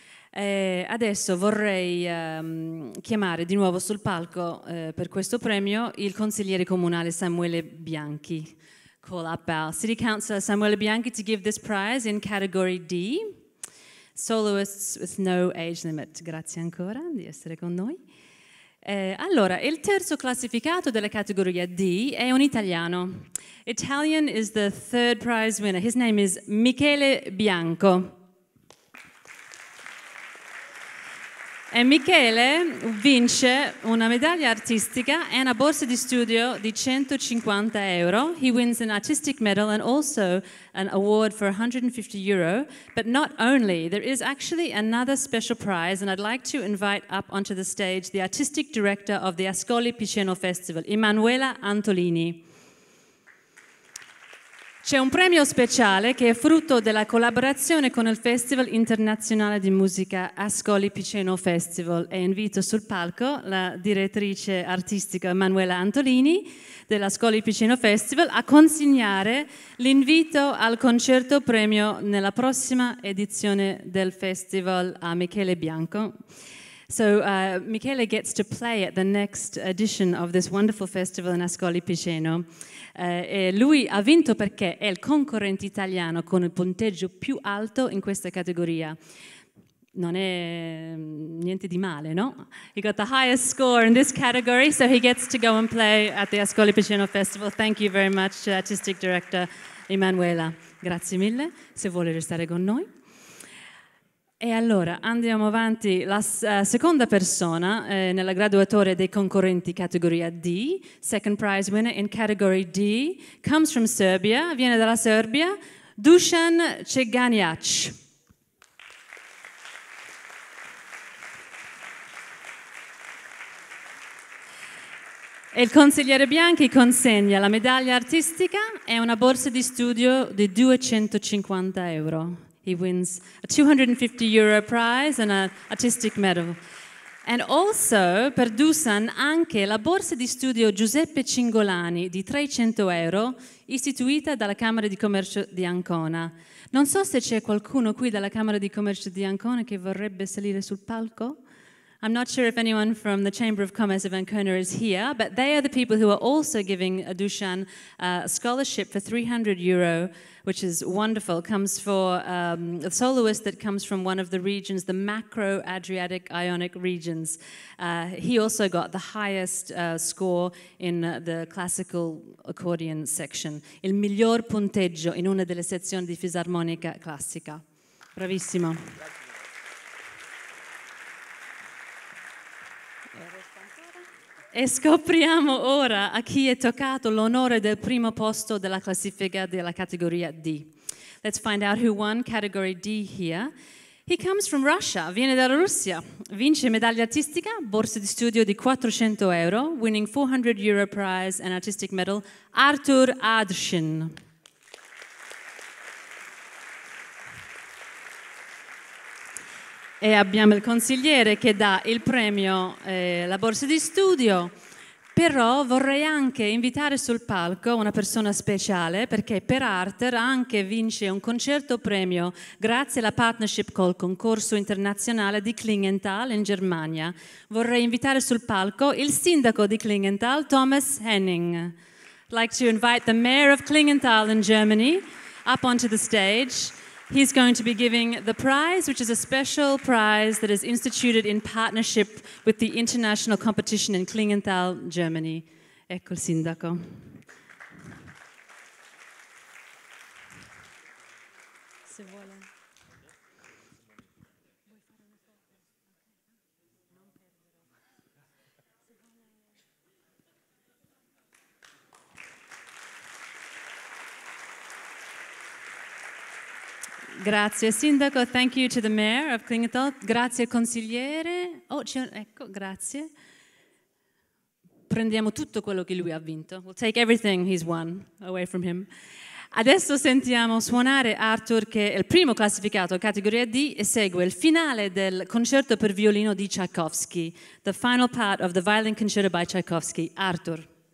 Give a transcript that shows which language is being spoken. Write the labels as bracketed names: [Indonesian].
[Italian] Adesso vorrei chiamare di nuovo sul palco per questo premio il consigliere comunale Samuele Bianchi. [English] Call up our city councillor Samuele Bianchi to give this prize in category D. [Italian] Soloists with no age limit. Grazie ancora di essere con noi. Allora, il terzo classificato della categoria D è un italiano. [English] Italian is the third prize winner. His name is Michele Bianco. [Italian] E Michele vince una medaglia artistica e una borsa di studio di 150 euro. [English] He wins an artistic medal and also an award for 150 euro. But not only, there is actually another special prize, and I'd like to invite up onto the stage the artistic director of the Ascoli Piceno Festival, Emanuela Antolini. [Italian] C'è un premio speciale che è frutto della collaborazione con il Festival Internazionale di Musica Ascoli Piceno Festival e invito sul palco la direttrice artistica Emanuela Antolini dell'Ascoli Piceno Festival a consegnare l'invito al concerto premio nella prossima edizione del festival a Michele Bianco. [English] So Michele gets to play at the next edition of this wonderful festival in Ascoli Piceno. [Italian] E lui ha vinto perché è il concorrente italiano con il punteggio più alto in questa categoria. Non è niente di male, no? [English] He got the highest score in this category, so he gets to go and play at the Ascoli Piceno Festival. Thank you very much, Artistic Director Emanuela. [Italian] Grazie mille, se vuole restare con noi. E allora, andiamo avanti. La seconda persona nella graduatoria dei concorrenti categoria D, second prize winner in category D, comes from Serbia, viene dalla Serbia, Dušan Čeganjač. E il consigliere Bianchi consegna la medaglia artistica e una borsa di studio di 250 euro. [English] He wins a 250 euro prize and an artistic medal. [Italian] And also, per Dušan, anche la borsa di studio Giuseppe Cingolani di 300 euro, istituita dalla Camera di Commercio di Ancona. Non so se c'è qualcuno qui dalla Camera di Commercio di Ancona che vorrebbe salire sul palco. [English] I'm not sure if anyone from the Chamber of Commerce of Ancona is here, but they are the people who are also giving Dušan a scholarship for 300 euro, which is wonderful. Comes for a soloist that comes from one of the regions, the macro Adriatic Ionic regions. He also got the highest score in the classical accordion section. [Italian] Il miglior punteggio in una delle sezioni di fisarmonica classica. Bravissimo. E scopriamo ora a chi è toccato l'onore del primo posto della classifica della categoria D. [English] Let's find out who won category D here. [Italian] He comes from Russia, viene dalla Russia, vince medaglia artistica, borsa di studio di 400 euro, winning 400 euro prize and artistic medal, Artur Adrshin. E abbiamo il consigliere che dà il premio, la borsa di studio. Però vorrei anche invitare sul palco una persona speciale perché per Arthur anche vince un concerto premio grazie alla partnership col concorso internazionale di Klingenthal in Germania. Vorrei invitare sul palco il sindaco di Klingenthal, Thomas Henning. [English] I'd like to invite the mayor of Klingenthal in Germany up onto the stage. He's going to be giving the prize, which is a special prize that is instituted in partnership with the international competition in Klingenthal, Germany. [Italian] Ecco il sindaco. Se vuole. [English] Grazie sindaco, thank you to the mayor of Klingenthal. Grazie consigliere. [Italian] Oh, ecco, grazie. Prendiamo tutto quello che lui ha vinto. [English] We'll take everything he's won away from him. [Italian] Adesso sentiamo suonare Arthur, che è il primo classificato a categoria D, e segue il finale del concerto per violino di Tchaikovsky. [English] The final part of the violin concerto by Tchaikovsky. Arthur.